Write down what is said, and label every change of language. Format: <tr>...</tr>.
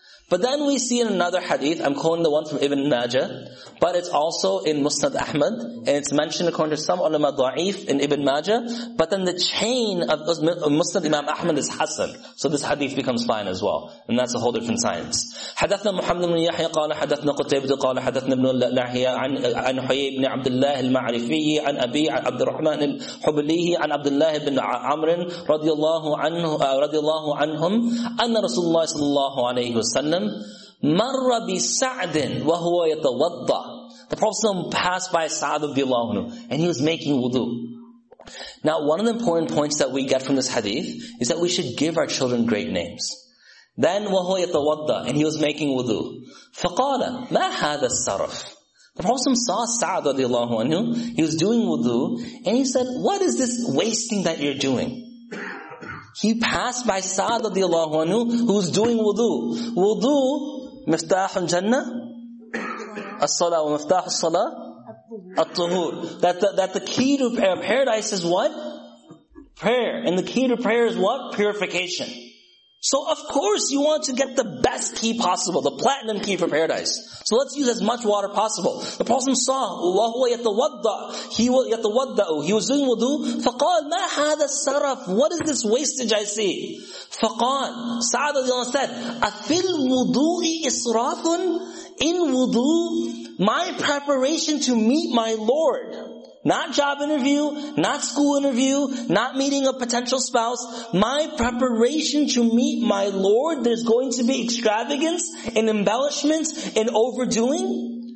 <en>But then we see in another hadith, I'm quoting the one from Ibn Majah, but it's also in Musnad Ahmad, and it's mentioned according to some ulama da'if in Ibn Majah, but then the chain of Musnad Imam Ahmad is Hassan. So this hadith becomes fine as well. And that's a whole different science.</en> <ar>حدثنا محمد بن يحيى قال حدثنا قتيبة قال حدثنا ابن لاهية عن حيي بن عبد الله المعرفي عن أبي عبد الرحمن الحبليه عن عبد الله بن عمر رضي الله عنهم أن رسول الله صلى الله عليه وسلم مر بسعد وهو يتوضا.</ar> <en>The Prophet passed by Sa'd radiallahu anhu and he was making wudu. Now one of the important points that we get from this hadith is that we should give our children great names. Then</en> <ar>وهو يتوضا</ar> <en>and he was making wudu.</en> <ar>فقال ما هذا الصرف.</ar> <en>The Prophet saw Sa'd radiallahu anhu, he was doing wudu and he said, what is this wasting that you're doing? He passed by Sa'd radiallahu anhu, who's doing wudu.</en> <ar>Wudu, miftah al-jannah, as-salah wa miftah al-salah, at-tuhur.</ar> <en>That the key to paradise is what? Prayer. And the key to prayer is what? Purification. So of course you want to get the best key possible, the platinum key for paradise. So let's use as much water possible. The Prophet saw,</en> <ar>وَهُوَ يَتَوَضَّأُ.</ar> <en>He was doing wudu.</en> <ar>فَقَالْ مَا هَذَا السَّرَفْ.</ar> <en>What is this wastage I see?</en> <ar>فَقَالْ سَعَدَ اللَّهُ</ar> <en>said,</en> <ar>أَفِي الْوُدُوءِ إِسْرَافٌ.</ar> <en>In wudu, my preparation to meet my Lord. Not job interview, not school interview, not meeting a potential spouse. My preparation to meet my Lord, there's going to be extravagance and embellishments and overdoing.</en>